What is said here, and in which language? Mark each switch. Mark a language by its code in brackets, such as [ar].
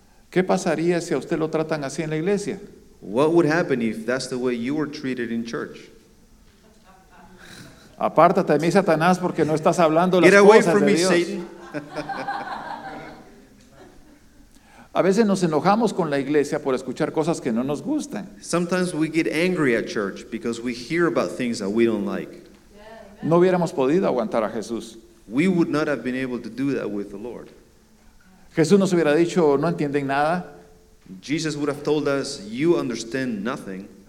[es] ¿Qué pasaría si a usted lo tratan así en la iglesia? [en] What would happen if that's the way you were treated in church? [es] Apártate de mí, Satanás, porque no estás hablando las cosas de Dios. [en] Get away from me, Satan. [es] A veces nos enojamos con la iglesia por escuchar cosas que no nos gustan. [en] Sometimes we get angry at church because we hear about things that we don't like. [es] No hubiéramos podido aguantar a Jesús. [en] We would not have been able to do that with the Lord. [es] Jesús nos hubiera dicho, no entienden nada. [en] Jesus would have told us, you understand nothing.